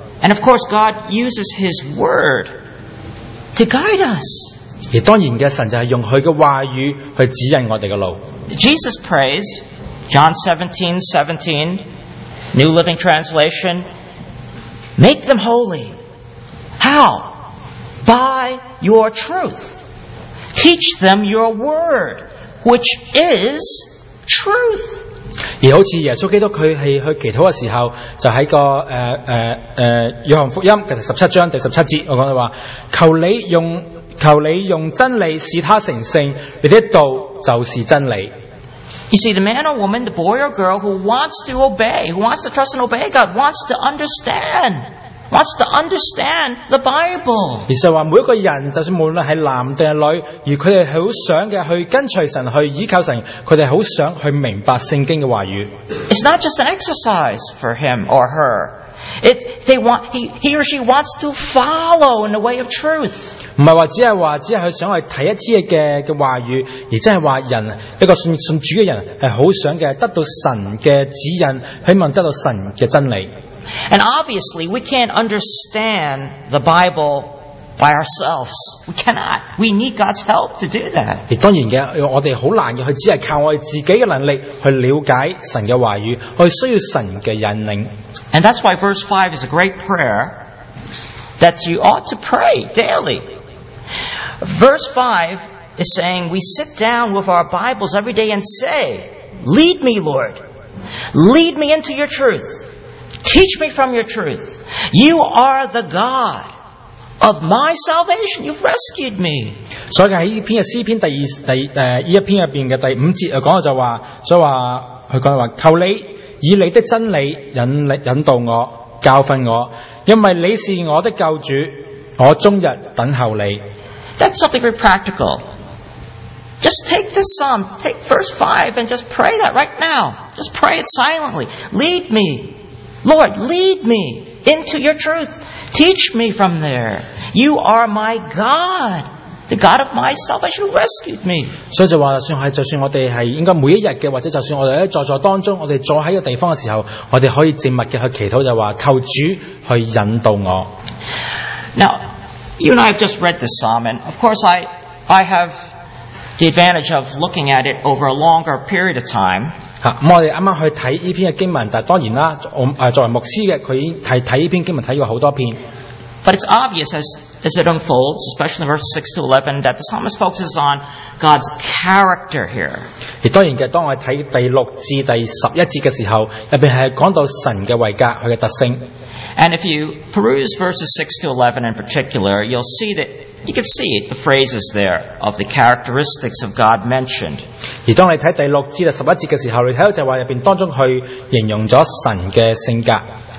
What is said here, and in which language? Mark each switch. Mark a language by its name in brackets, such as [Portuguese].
[English] And of course, God uses His Word to guide us. [Cantonese] 而当然嘅神就系用佢嘅话语去指引我哋嘅路。 [English] Jesus prays, John 17:17, New Living Translation, Make them holy. How? By your truth. Teach them your word, which is truth. [Cantonese] 而好似耶稣基督佢系去祈祷嘅时候，就喺个约翰福音嘅17章第17节，我讲到话，求你用真理使他成圣，你的道就是真理。 [English] You see, the man or woman, the boy or girl who wants to obey, who wants to trust and obey God, wants to understand the Bible. [Cantonese] 而就话每一个人，就算无论系男定系女，而佢哋好想嘅去跟随神，去依靠神，佢哋好想去明白圣经嘅话语。 [English] It's not just an exercise for him or her. He or she wants to follow in the way of truth. [Cantonese] 唔系话只系话只系想去睇一啲嘅话语，而真系话人一个信主嘅人系好想嘅得到神嘅指引，希望得到神嘅真理。 [English] And obviously, we can't understand the Bible by ourselves. We cannot. We need God's help to do that. [Cantonese] 当然嘅，我哋好难嘅，只系靠我哋自己嘅能力去了解神嘅话语，我需要神嘅引领。 [English] And that's why verse 5 is a great prayer that you ought to pray daily. Verse 5 is saying we sit down with our Bibles every day and say, "Lead me, Lord. Lead me into your truth." Teach me from your truth. You are the God of my salvation. You've rescued me. [Cantonese] 所以喺呢篇嘅诗篇第二第诶呢一篇入边嘅第五节啊，讲到就话，所以话佢讲话，求你以你的真理引导我，教训我，因为你是我的救主，我终日等候你。 [English] That's something very practical. Just take this psalm, take verse 5, and just pray that right now. Just pray it silently. Lead me. Lord, lead me into your truth. Teach me from there. You are my God, the God of my salvation. You rescued me. [Cantonese] 所以就话，就算我哋系应该每一日嘅，或者就算我哋喺在当中，我哋坐喺个地方嘅时候，我哋可以静默嘅去祈祷，就话求主去引导我。 [English] Now, you and I have just read this psalm, and of course, I have the advantage of looking at it over a longer period of time. [Cantonese] 我哋啱啱去睇呢篇嘅经文，但系当然啦，我作为牧师嘅，佢睇睇呢篇经文睇咗好多篇。 [English] But it's obvious as it unfolds, especially verses 6 to 11, that the psalmist focuses on God's character here. [Cantonese] 而当然嘅，当我睇第六至第十一节嘅时候，入边系讲到神嘅位格，佢嘅特性。 [English] And if you peruse verses 6 to 11 in particular, you'll see that. You can see the phrases there of the characteristics of God mentioned. [Cantonese] 而当你睇第六至第十一节嘅时候，你睇到就话入边当中去形容咗神嘅性格。